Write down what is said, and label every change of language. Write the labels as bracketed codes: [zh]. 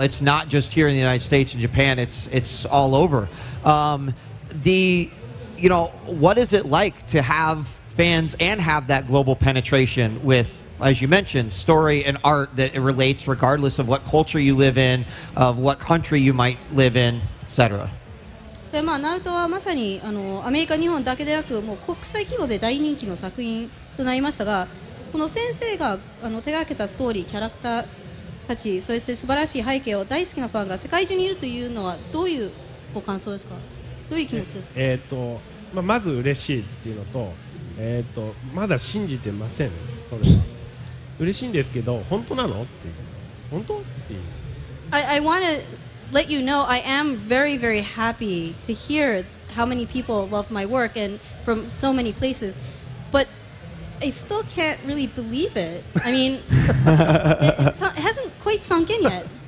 [en] It's not just here in the United States and Japan. It's all over. You know, what is it like to have fans and have that global penetration with, as you mentioned, story and art that it relates regardless of what culture you live in, of what country you might live in, etc.? [ja] それまあ、ナルトはまさにあのアメリカ、日本だけでなくもう国際規模で大人気の作品となりましたが、この先生があの手がけたストーリー、キャラクターたち、そして素晴らしい背景を大好きなファンが世界中にいるというのはどういうご感想ですか？どういう気持ちですか？まあ、まず嬉しいっていうのと、まだ信じてません。それは嬉しいんですけど、本当なの？って本当？っていう [en] I wanna... let you know I am very, very happy to hear how many people love my work and from so many places, but I still can't really believe it. I mean, it hasn't quite sunk in yet.